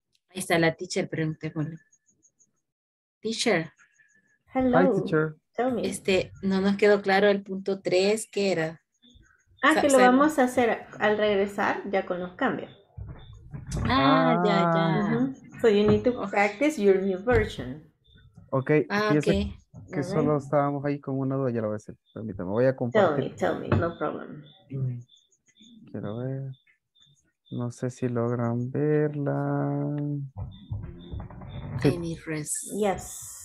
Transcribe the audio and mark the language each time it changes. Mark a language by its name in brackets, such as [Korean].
[Spanish] Ahí está la teacher, pregúntale. Teacher. [English] Hello. Hi, teacher. Tell me. [Spanish] No nos quedó claro el punto 3, ¿qué era? Ah, que lo vamos a hacer al regresar ya con los cambios. Ah, ya, ya. [English] So you need to practice your new version. [Spanish] Ok, que solo estábamos ahí con una duda, ya lo voy a hacer. Permítame, voy a compartir. [English] Tell me, no problem. [Spanish] Quiero ver. No sé si logran verla. Amy Res. [English] Yes.